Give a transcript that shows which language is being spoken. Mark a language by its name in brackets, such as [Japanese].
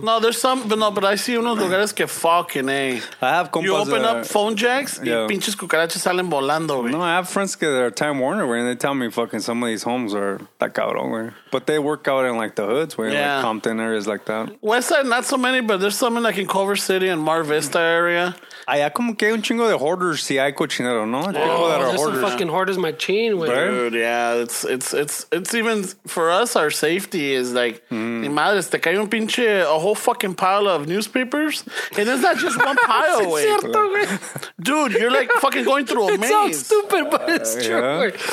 [English] No, there's some... But I see [Spanish] unos lugares que [English] fucking, eh. I have compas... You open up phone jacks, yeah. [Spanish] Y pinches cucarachas salen volando, güey. [English] No, I have friends that are Time Warner, where, and they tell me fucking some of these homes are that cabrón, but they work out in like the hoods, where like Compton areas like that. West side, not so many, but there's there's some in like in Culver City and Mar Vista area. [Spanish] Allá como que hay un chingo de hoarders si hay cochinero, ¿no? [English] There's some fucking hoarders. Dude, yeah. It's even for us, our safety is like, [Spanish] ni madres, te cae un pinche, [English] a whole fucking pile of newspapers. And it's not just one pile, güey. Dude, you're like fucking going through a it maze. It sounds stupid, but it's true.